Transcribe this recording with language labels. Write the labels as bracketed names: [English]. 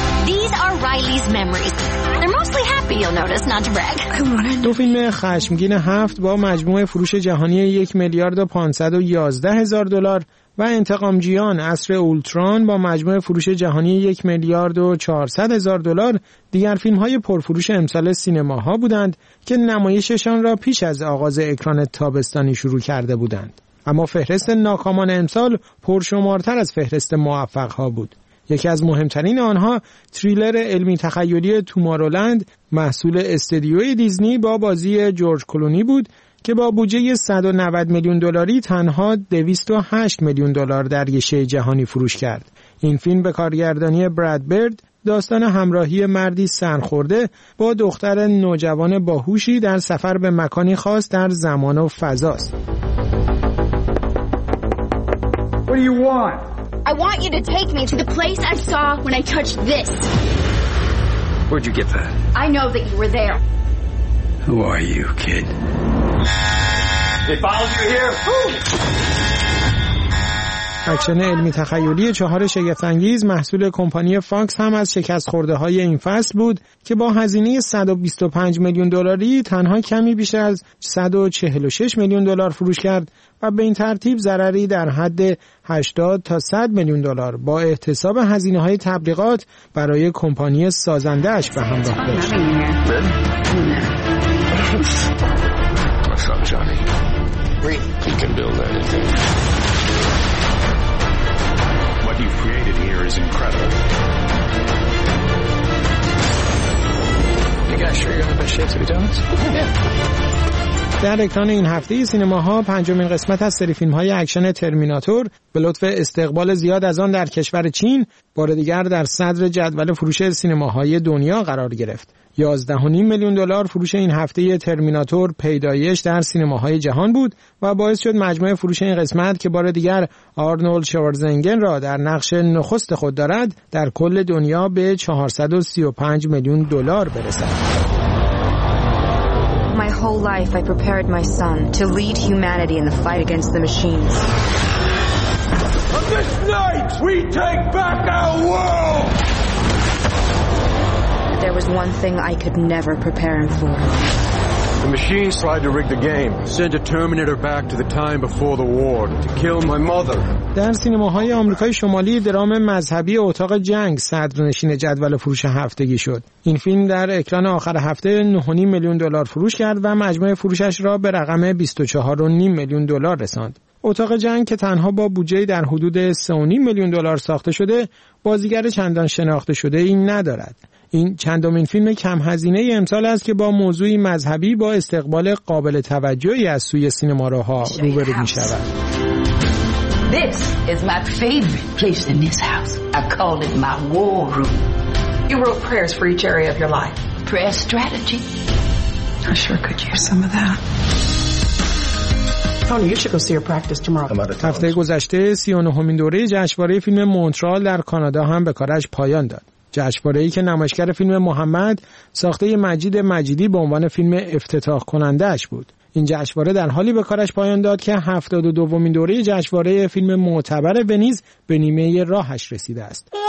[English] These are Riley's memories. They're mostly happy, you'll notice, not to brag. [Persian] دو فیلم خشمگین هفت با مجموع فروش جهانی 1,511,000 دلار و انتقامجویان عصر اولتران با مجموع فروش جهانی 1,400,000 دلار دیگر فیلم‌های پرفروش امسال سینماها بودند که نمایششان را پیش از آغاز اکران تابستانی شروع کرده بودند. اما فهرست ناکامان امسال پرشمارتر از فهرست موفق‌ها بود. یکی از مهمترین آنها تریلر علمی تخیلی تومارولند محصول استدیوی دیزنی با بازی جورج کلونی بود که با بودجه 190 میلیون دلاری تنها 208 میلیون دلار در یشه جهانی فروش کرد. این فیلم به کارگردانی براد برد داستان همراهی مردی سرخورده با دختر نوجوان باهوشی در سفر به مکانی خاص در زمان و فضا است. [English] What do you want? I want you to take me to the place I saw when I touched this. Where'd you get that? I know that you were there. Who are you, kid? [Persian] اکشن علمی تخیلی چهار شگفت‌انگیز محصول کمپانی فاکس هم از شکست خورده‌های این فصل بود که با هزینه 125 میلیون دلاری تنها کمی بیش از 146 میلیون دلار فروش کرد و به این ترتیب ضرری در حد 80 تا 100 میلیون دلار با احتساب هزینه‌های تبلیغات برای کمپانی سازنده اش به همراه داشت. [English] Son, Johnny. He can build anything. What you've created here is incredible. You guys sure you have the shapes of donuts? Yeah. [Persian] در اکران این هفته سینماها پنجمین قسمت از سری فیلم‌های اکشن ترمیناتور به لطف استقبال زیاد از آن در کشور چین بار دیگر در صدر جدول فروش سینماهای دنیا قرار گرفت. 11.5 میلیون دلار فروش این هفته ترمیناتور پیدایش در سینماهای جهان بود و باعث شد مجموع فروش این قسمت که بار دیگر آرنولد شوارزنگر را در نقش نخست خود دارد در کل دنیا به 435 میلیون دلار برسد. [English] My whole life I prepared my son to lead humanity in the fight against the machines. On this night we take back our world. There was one thing I could never prepare him for. The machines tried to rig the game, send a Terminator back to the time before the war to kill my mother. [Persian] در سینماهای آمریکای شمالی درام مذهبی اتاق جنگ صدرنشین جدول فروش هفتگی شد. این فیلم در اکران آخر هفته 9.5 میلیون دلار فروش کرد و مجموع فروشش را به رقم 24.5 میلیون دلار رساند. اتاق جنگ که تنها با بودجه در حدود 3.5 میلیون دلار ساخته شده، بازیگر چندان شناخته شده ای ندارد. این چندمین فیلم کم هزینه ای امسال است که با موضوعی مذهبی با استقبال قابل توجهی از سوی سینماروها روبرو می شود. [English] This is my favorite place in this house. I call it my war room. You wrote prayers for each area of your life. Prayer strategy. I sure could use some of that. [Persian] هفته گذشته 39مین دوره جشنواره فیلم مونترال در کانادا هم به کارش پایان داد. جشنواره‌ای که نمایشگر فیلم محمد ساخته مجید مجیدی به عنوان فیلم افتتاح کننده‌اش بود. این جشنواره در حالی به کارش پایان داد که 72مین دوره جشنواره فیلم معتبر ونیز به نیمه راهش رسیده است.